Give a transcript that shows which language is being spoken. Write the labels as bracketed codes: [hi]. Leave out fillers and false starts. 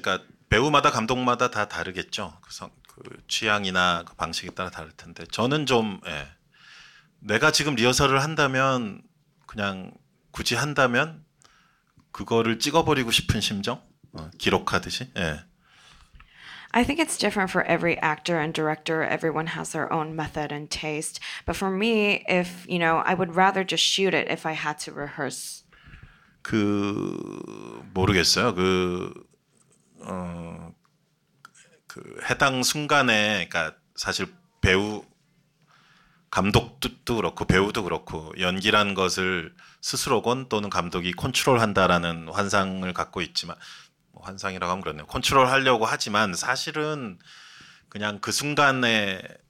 [ko] 그러니까 배우마다 감독마다 다 다르겠죠. 그 취향이나 그 방식에 따라 다를 텐데 저는 좀 예. 내가 지금 리허설을 한다면 그냥 굳이 한다면 그거를 찍어버리고 싶은 심정 기록하듯이 예. [en] I think it's different for every actor and director. Everyone has their own method and taste. But for me, if you know, I would rather just shoot it if I had to rehearse. [ko] 그 모르겠어요. 그 그 해당 순간에 그러니까 사실 배우 감독도 그렇고 배우도 그렇고 연기란 것을 스스로건 또는 감독이 컨트롤한다라는 환상을 갖고 있지만 뭐 환상이라고 하면 그렇네요. 컨트롤하려고 하지만 사실은 그냥 그 순간에